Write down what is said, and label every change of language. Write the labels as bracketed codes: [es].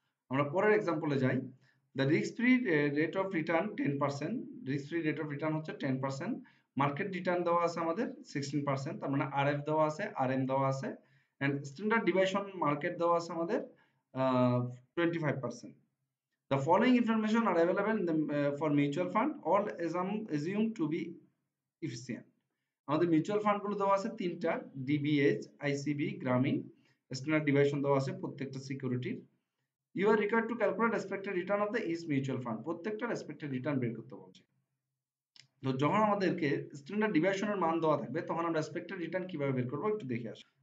[bn] আমরা পরের এক্সাম্পলে যাই, [en] the risk free rate of return 10%, risk free rate of return হচ্ছে 10%, market return দেওয়া আছে আমাদের 16%, [bn] তার মানে আরএফ দেওয়া আছে, [en] RM দেওয়া আছে, and standard deviation market দেওয়া আছে আমাদের 25%। The following information are available in the, for mutual fund, all assumed to be efficient. [bn] আমাদের মিউচুয়াল ফান্ডগুলো দেওয়া আছে তিনটা, ডিবিএইচ, আইসিবি, গ্রামীণ, স্ট্যান্ডার্ড ডিভিয়েশন দেওয়া আছে প্রত্যেকটা সিকিউরিটির। [en] you are required to calculate expected return of the each mutual fund, [bn] প্রত্যেকটার এক্সপেক্টেড রিটার্ন বের করতে বলছে। তো যখন আমাদেরকে স্ট্যান্ডার্ড ডিভিয়েশনের মান দেওয়া থাকবে তখন আমরা এক্সপেক্টেড রিটার্ন কিভাবে বের করবো একটু দেখে আসি।